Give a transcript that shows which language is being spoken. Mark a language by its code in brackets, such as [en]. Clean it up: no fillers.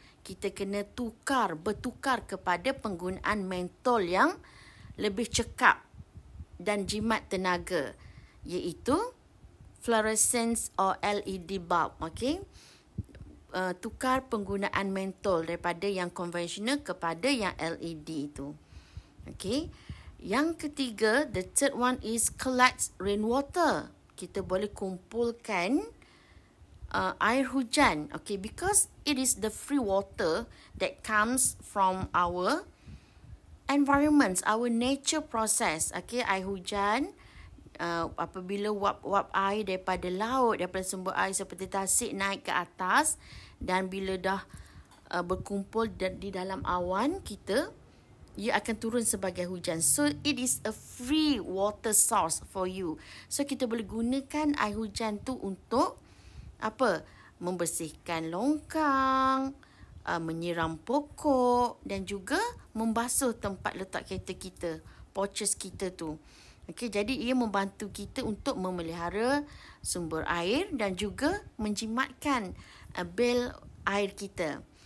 [ms] Kita kena tukar, bertukar kepada penggunaan mentol yang lebih cekap dan jimat tenaga, iaitu fluorescence or LED bulb. Okay? Tukar penggunaan mentol daripada yang konvensional kepada yang LED itu. Okay? Yang ketiga, [en] the third one is collect rainwater. [ms] Kita boleh kumpulkan air hujan. [en] Okay, because it is the free water that comes from our environments, our nature process. [ms] Okay, air hujan, apabila wap-wap air daripada laut, daripada sumber air seperti tasik naik ke atas, dan bila dah berkumpul di dalam awan kita, ia akan turun sebagai hujan. [en] So, it is a free water source for you. [ms] So, kita boleh gunakan air hujan tu untuk apa? Membersihkan longkang, menyiram pokok dan juga membasuh tempat letak kereta kita, porches kita tu. Okey, jadi ia membantu kita untuk memelihara sumber air dan juga menjimatkan bil air kita.